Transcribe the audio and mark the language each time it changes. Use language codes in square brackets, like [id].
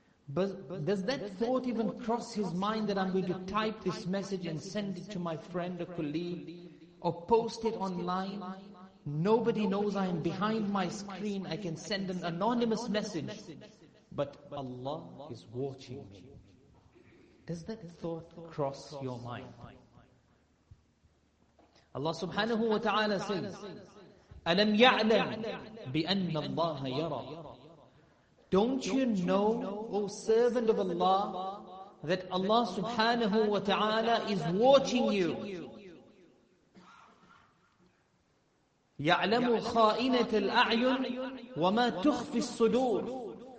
[en] But does that thought even cross his mind that I'm going to type this message and send it to my friend or colleague or post it online? Nobody knows I am behind my screen. I can send an anonymous message, but Allah is watching me. Does that thought cross your mind? Allah subhanahu wa ta'ala says, [ar] أَلَمْ يَعْلَمْ بِأَنَّ اللَّهَ يَرَى. [en] Don't you know, O servant of Allah, that Allah subhanahu wa ta'ala is watching you? [ar] يَعْلَمُ خَائِنَةَ الْأَعْيُنِ وَمَا تُخْفِ الصُّدُورِ.